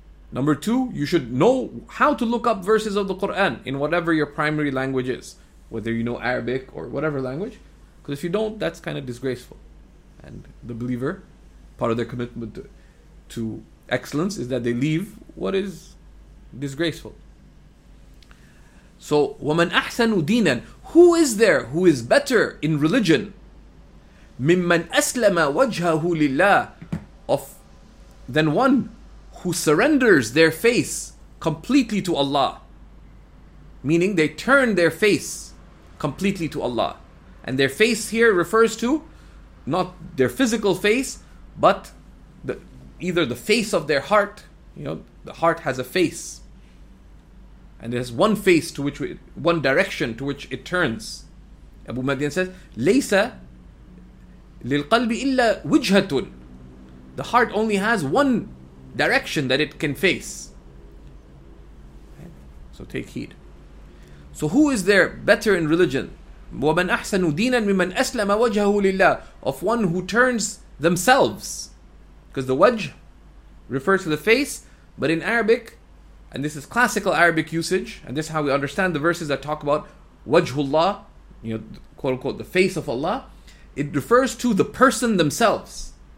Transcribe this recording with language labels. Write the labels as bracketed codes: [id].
[en] Number two, you should know how to look up verses of the Quran in whatever your primary language is, whether you know Arabic or whatever language. Because if you don't, that's kind of disgraceful. And the believer, part of their commitment to excellence is that they leave what is disgraceful. So, [ar] وَمَنْ أَحْسَنُ دِينًا. [en] Who is there who is better in religion? [ar] مِمَّنْ أَسْلَمَ وَجْهَهُ لِلَّهِ. [en] Of than one who surrenders their face completely to Allah. Meaning they turn their face completely to Allah. And their face here refers to not their physical face, but either the face of their heart. You know, the heart has a face. And there's one face to which one direction to which it turns. Abu Madian says, [ar] لَيْسَ لِلْقَلْبِ إِلَّا وِجْهَةٌ. [en] The heart only has one direction that it can face. So take heed. So who is there better in religion? [ar] وَمَنْ أَحْسَنُ دِينًا مِمَنْ أَسْلَمَ وَجْهَهُ لِلَّهِ. [en] Of one who turns themselves. Because the wajh refers to the face, but in Arabic, and this is classical Arabic usage, and this is how we understand the verses that talk about wajhullah, you know, quote unquote, the face of Allah, it refers to the person themselves.